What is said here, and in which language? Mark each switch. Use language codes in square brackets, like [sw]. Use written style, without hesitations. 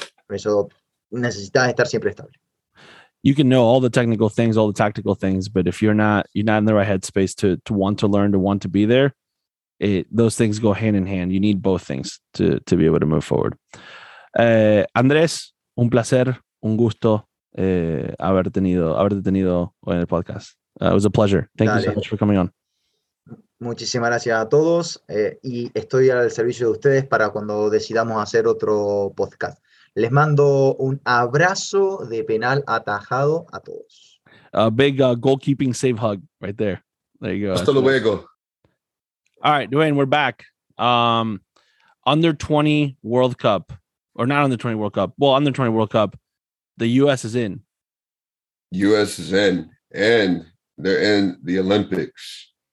[es] Por eso necesitas estar siempre estable. [en] You can know all the technical things, all the tactical things, but if you're not in the right headspace to want to learn, to want to be there, those things go hand in hand. You need both things to be able to move forward. [es] Andrés, un placer, un gusto haberte tenido hoy en el podcast. [en] It was a pleasure. Thank you so much for coming on. [es] Muchísimas gracias a todos, y estoy al servicio de ustedes para cuando decidamos hacer otro podcast. Les mando un abrazo de penal atajado a todos. [en] A big goalkeeping save hug right there. There you go. [es] Hasta luego. [en] All right, Duane, we're back. Under 20 World Cup, or not under 20 World Cup. Well, under 20 World Cup, the U.S. is in. U.S. is in, and they're in the Olympics.